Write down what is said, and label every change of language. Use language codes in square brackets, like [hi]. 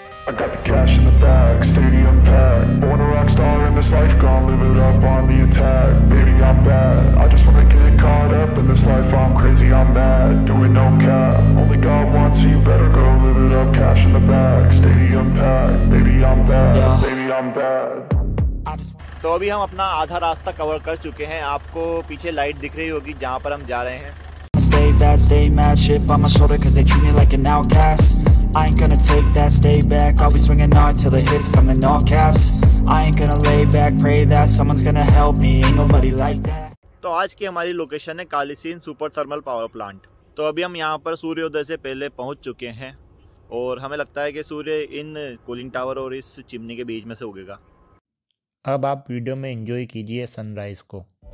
[en] I got the cash in the bag, stadium packed. Born a rock star in this life, gon' live it up on the attack. Baby, I'm bad, I just wanna get caught up in this life. I'm crazy, I'm mad, doing no cap. Only God wants you, better go live it up. Cash in the bag, stadium packed. Baby, I'm bad, baby, I'm bad. [hi] तो अभी हम अपना आधा रास्ता cover कर चुके हैं। आपको पीछे लाइट दिख रही होगी जहाँ पर हम जा रहे हैं। [en] Stay bad, stay mad, shit by my shoulder cause they treat me like an outcast. I ain't gonna take that, stay back. I'll be swinging hard till the hits come in all caps. I ain't gonna lay back, pray that someone's gonna help me. Ain't nobody like that. [hi] तो आज की हमारी location है Kalisindh super thermal power plant. तो अभी हम यहाँ पर सूर्योदय से पहले पहुँच चुके हैं और हमें लगता है कि सूर्य इन कूलिंग टावर और इस चिमनी के बीच में से उगेगा। अब आप वीडियो में एंजॉय कीजिए सनराइज को।